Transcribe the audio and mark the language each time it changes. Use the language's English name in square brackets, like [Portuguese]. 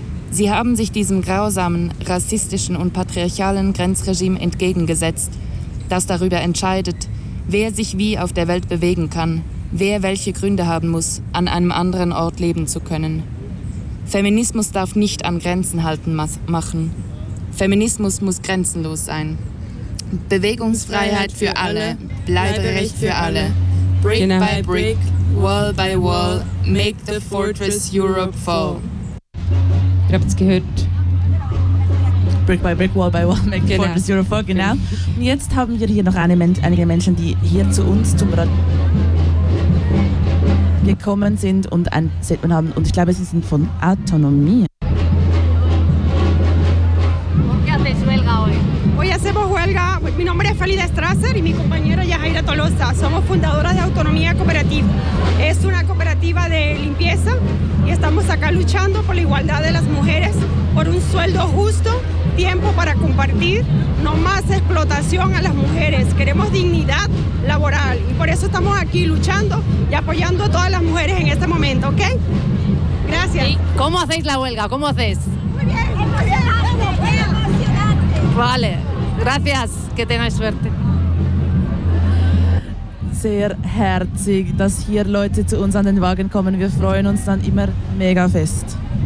[German] Sie haben sich diesem grausamen, rassistischen und patriarchalen Grenzregime entgegengesetzt, das darüber entscheidet, wer sich wie auf der Welt bewegen kann, wer welche Gründe haben muss, an einem anderen Ort leben zu können. Feminismus darf nicht an Grenzen halten machen. Feminismus muss grenzenlos sein. Bewegungsfreiheit für alle, Bleiberecht für alle. Brick genau. [English] By brick, wall by wall, make the fortress Europe fall. [German] Ihr habt es gehört. [English] Brick by brick, wall by wall, make the fortress Europe fall, genau. [German] Und jetzt haben wir hier noch einige Menschen, die hier zu uns zum gekommen sind und ein Statement haben. Und ich glaube, sie sind von Autonomie. [Spanish] Hoy hacemos huelga. Mi nombre es Felida Strasser y mi compañera Yajaira Tolosa. Somos fundadoras de Autonomía Cooperativa. Es una cooperativa de limpieza y estamos acá luchando por la igualdad de las mujeres, por un sueldo justo, tiempo para compartir, no más explotación a las mujeres. Queremos dignidad laboral y por eso estamos aquí luchando y apoyando a todas las mujeres en este momento. ¿Ok? Gracias. ¿Y cómo hacéis la huelga? ¿Cómo hacéis? Muy bien. Vale, gracias, que tengáis suerte. [German] Sehr herzig, dass hier Leute zu uns an den Wagen kommen. Wir freuen uns dann immer mega fest.